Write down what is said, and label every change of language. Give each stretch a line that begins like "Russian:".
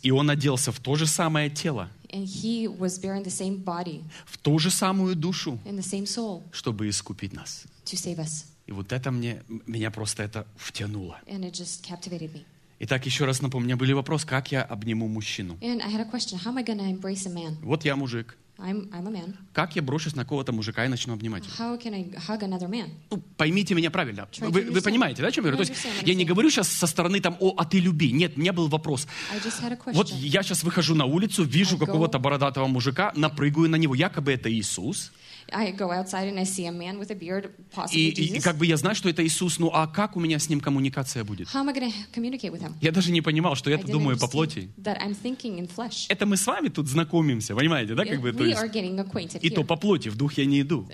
Russian: И Он оделся в то же самое тело.
English: And he was bearing the same body,
Russian: в ту же самую душу,
English: in the same soul,
Russian: чтобы искупить нас.
English: To save us.
Russian: И вот это мне, меня просто это втянуло.
English: And it just captivated me.
Russian: Итак, еще раз напомню, у меня были вопрос, как я обниму мужчину.
English: And I had a question, how am I gonna embrace a man?
Russian: Вот я мужик.
English: I'm a man.
Russian: Как я брошусь на кого-то мужика и начну обнимать?
English: How can I hug another man?
Russian: Ну, поймите меня правильно. Вы понимаете, да, о чем я говорю? То есть я не говорю сейчас со стороны там, о, а ты люби. Нет, у меня был вопрос. Вот я сейчас выхожу на улицу, вижу какого-то бородатого мужика, напрыгаю на него. Якобы это Иисус.
English: I go outside and I see a man with a beard, possibly
Russian: И как бы я знаю, что это Иисус, ну а как у меня с ним коммуникация будет?
English: How am I gonna communicate with him?
Russian: Я даже не понимал, что я-то думаю по плоти.
English: That I'm thinking in flesh.
Russian: Это мы с вами тут знакомимся, понимаете, да? Как бы, то есть...
English: We are getting acquainted here.
Russian: И то по плоти, в дух я не иду.